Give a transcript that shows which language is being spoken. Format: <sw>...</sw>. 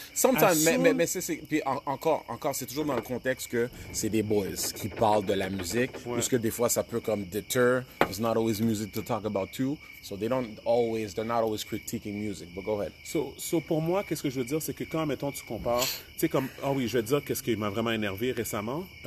<fr>Sometimes, mais c'est toujours dans le contexte que c'est des boys qui parlent de la musique, puisque des fois ça peut comme deter.</fr> <en>It's not always music to talk about too, so they're not always critiquing music. But go ahead.</en> <fr>So pour moi, qu'est-ce que je veux dire, c'est que quand mettons tu compares, tu sais comme je vais te dire qu'est-ce qui m'a vraiment énervé récemment.</fr>